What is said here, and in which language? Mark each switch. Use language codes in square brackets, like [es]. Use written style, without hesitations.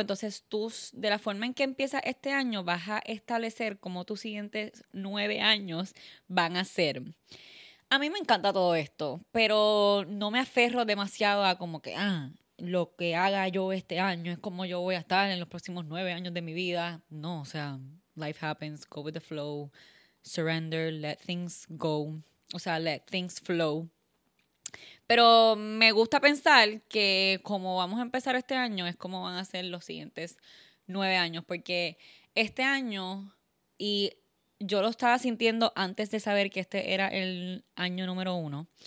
[es] Entonces, tú, de la forma en que empieza este año, vas a establecer cómo tus siguientes 9 años van a ser. A mí me encanta todo esto, pero no me aferro demasiado a como que, lo que haga yo este año es como yo voy a estar en los próximos 9 años de mi vida. No, o sea, [en] life happens, go with the flow, surrender, let things go, [es] o sea, [en] let things flow. [es] Pero me gusta pensar que como vamos a empezar este año es como van a ser los siguientes 9 años, porque este año y yo lo estaba sintiendo antes de saber que este era el año número uno.